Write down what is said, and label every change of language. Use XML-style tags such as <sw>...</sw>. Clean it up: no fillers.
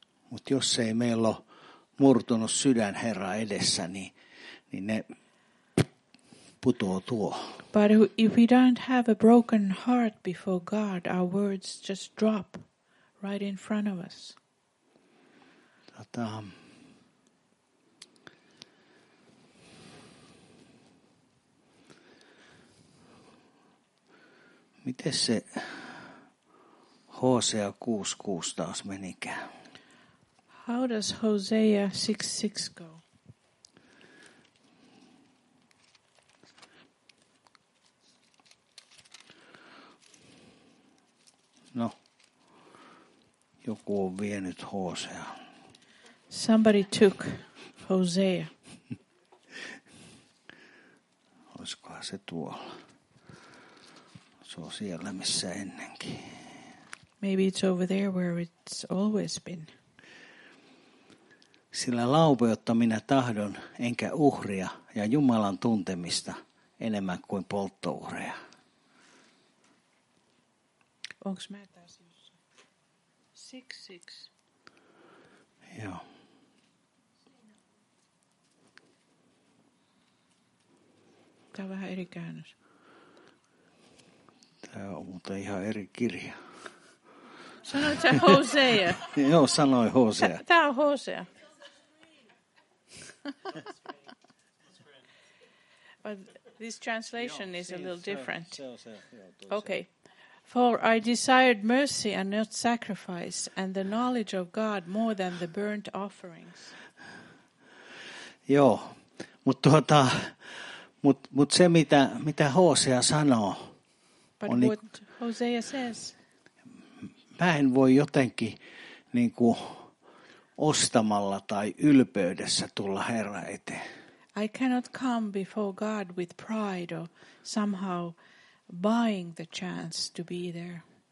<fi>Mut jos ei meillä ole murtunut sydän Herra edessä, niin ne putoo tuo.</fi> <en>But if we don't have a broken heart before God, our words just drop right in front of us.</en> <fi>Miten se Hosea 6:6 taas menikään?</fi> <en>How does Hosea 6:6 go?</en> <fi>No, joku on vienyt Hosea.</fi> <en>Somebody took Hosea.</en> <fi>Olisikohan se tuolla? Se on siellä, missä ennenkin.</fi> <en>Maybe it's over there where it's always been.</en> <fi>Sillä laupeutta minä tahdon, enkä uhria ja Jumalan tuntemista enemmän kuin polttouhreja. Onks mä taas jossa? 6:6. Joo. Tää on vähän eri käännös. Tää on muuten ihan eri kirja. Sanoit sä Hosea? Joo, sanoin Hosea. Tää on Hosea.</fi> <en>But this translation is a little different. Okay. For I desired mercy and not sacrifice, and the knowledge of God more than the burnt offerings.</en> <fi>Joo, mutta se mitä Hosea sanoo.</fi> <en>But on what Hosea says.</en> <fi>Mä en voi jotenkin niinku ostamalla tai ylpeydessä tulla Herra eteen.</fi> <en>I cannot come before God with pride or somehow buying the chance to be there.</en>